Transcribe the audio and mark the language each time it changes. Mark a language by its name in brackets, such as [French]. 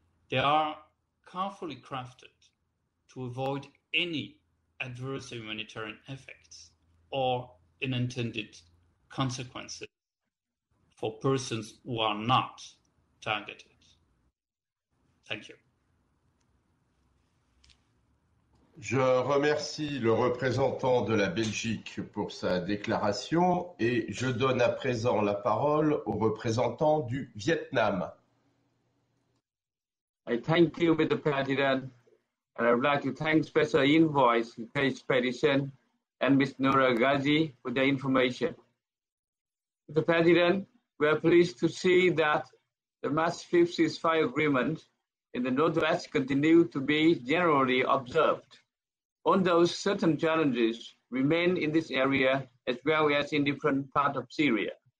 [English] They are carefully crafted to avoid any adverse humanitarian effects or unintended consequences for persons who are not targeted. Thank you. [French] Je remercie le représentant de la Belgique pour sa déclaration et je donne à présent la parole au représentant du Vietnam. [English] I thank you, Mr. President. And I would like to thank Special Envoy Geir Pedersen and Ms. Nora Ghazi for their information. Mr. President, we are pleased to see that the March 5th ceasefire agreement in the Northwest continue to be generally observed, although certain challenges remain in this area as well as in different parts of Syria.